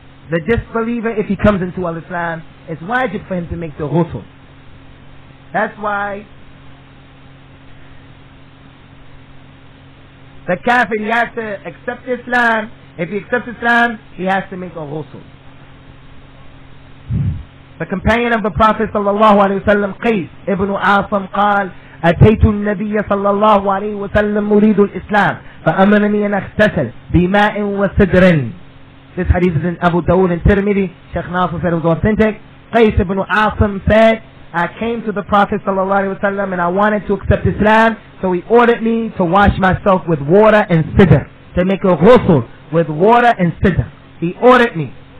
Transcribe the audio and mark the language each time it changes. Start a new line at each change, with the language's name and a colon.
English: The disbeliever, if he comes into al-Islam, it's wajib for him to make the ghusl. That's why the kafir, he has to accept Islam. If he accepts Islam, he has to make a ghusl. The companion of the Prophet sallallahu alayhi wa sallam, Qais ibn Asam,
Arabic: قال أتيت النبي صلى الله عليه وسلم مريد الإسلام فأمرني أن أغتسل بماء وسدر.
English: This hadith is in Abu Dawud and Tirmidhi. Sheikh Nasir said it was authentic. Qais ibn Asam said, I came to the Prophet sallallahu alayhi wa sallam and I wanted to accept Islam, so he ordered me to wash myself with water and sidr, to make a ghusl with water and sidr. He ordered me.